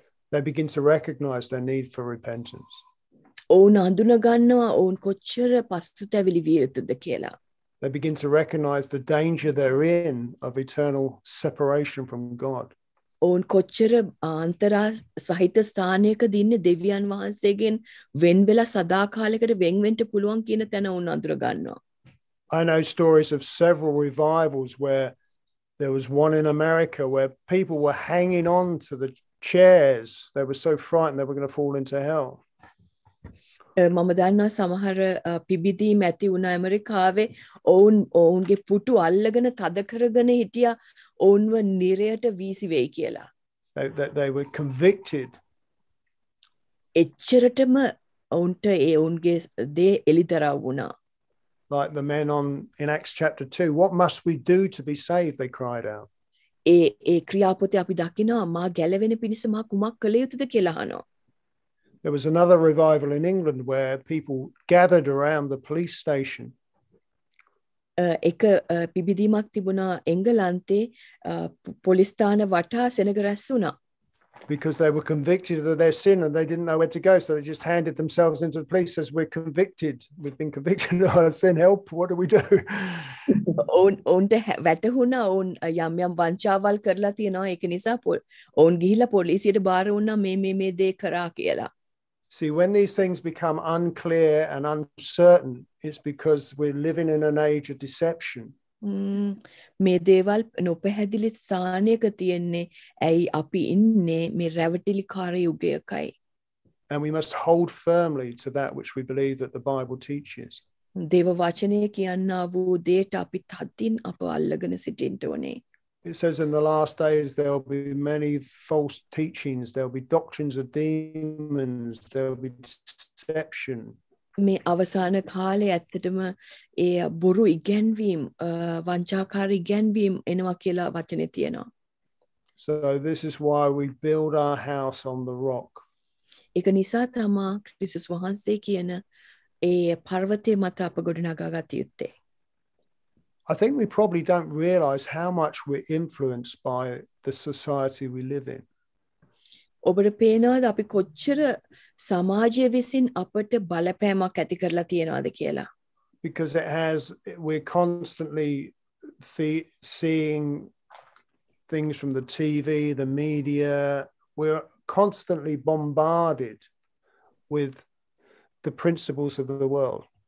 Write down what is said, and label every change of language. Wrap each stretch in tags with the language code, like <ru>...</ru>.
<en>They begin to recognize their need for repentance.</en> <si>ඔවුන් හඳුනා ගන්නවා ඔවුන් කොච්චර පසුතැවිලි විය යුතුද කියලා.</si> <en>They begin to recognize the danger they're in of eternal separation from God.</en> <si>ඔවුන් කොච්චර අන්තරා සහිත ස්ථානයක දින්නේ දෙවියන් වහන්සේගෙන් වෙන් වෙලා සදාකාලයකට වෙන් වෙන්න පුළුවන් කියන තැන ඔවුන් අඳුර ගන්නවා.</si> <en>I know stories of several revivals where there was one in America where people were hanging on to the chairs. They were so frightened they were going to fall into hell.</en> <si>මම දන්නවා සමහර පිබිදීම් ඇති වුණා ඇමරිකාවේ ඔවුන් ඔවුන්ගේ පුටු අල්ලගෙන තද කරගෙන හිටියා ඔවුන්ව නිරයට වීසි වෙයි කියලා.</si> <en>They were convicted.</en> <si>එච්චරටම ඔවුන්ට ඒ ඔවුන්ගේ දේ එළිදරව් වුණා.</si> <en>Like the men in Acts chapter 2, what must we do to be saved? They cried out.</en> <si>ඒ ක්‍රියාපොතේ අපි දකිනවා මා ගැලවෙන පිණිස මා කුමක් කළ යුතුද කියලා අහනවා.</si> <en>There was another revival in England where people gathered around the police station.</en> <si>එක පිබිදීමක් තිබුණා එංගලන්තේ පොලිස් ස්ථාන වටා සෙනග රැස් වුණා.</si> <en>Because they were convicted of their sin and they didn't know where to go, so they just handed themselves into the police as we're convicted. We've been convicted of our sin. Help, what do we do?</en> <si>ඔවුන්ට වැටහුණා ඔවුන් යම් යම් වංචාවල් කරලා තියෙනවා ඒක නිසා ඔවුන් ගිහිල්ලා පොලිසියට බාර වුණා මේ දේ කරා කියලා.</si> <en>See, when these things become unclear and uncertain, it's because we're living in an age of deception.</en> <si>මේ දේවල් නොපැහැදිලි ස්ථානයක තියෙන්නේ ඇයි අපි ඉන්නේ මේ රැවටිලිකාර යුගයකයි.</si> <en>And we must hold firmly to that which we believe that the Bible teaches.</en> <si>දේව වචනය කියනවා වූ දේට අපි තදින් අප අල්ලගෙන සිටින්න ඕනේ.</si> <en>It says in the last days there will be many false teachings, there will be doctrines of demons, there will be deception.</en> <si>මේ අවසාන කාලේ ඇත්තටම ඒ බොරු ඉගැන්වීම් වංචාකාර ඉගැන්වීම් එනවා කියලා වචනේ තියෙනවා.</si> <en>So this is why we build our house on the rock.</en> <si>ඒක නිසා තමයි ක්‍රිස්තුස් වහන්සේ කියන ඒ පර්වතය මත අප ගොඩනගා ගත යුත්තේ.</si> <en>I think we probably don't realize how much we're influenced by the society we live in.</en> <si>ඔබට පේනවද අපි කොච්චර සමාජය විසින් අපට බලපෑමක් ඇති කරලා තියෙනවද කියලා?</si> <en>Because it has, we're constantly seeing things from the TV, the media. We're constantly bombarded with the principles of the world.</en>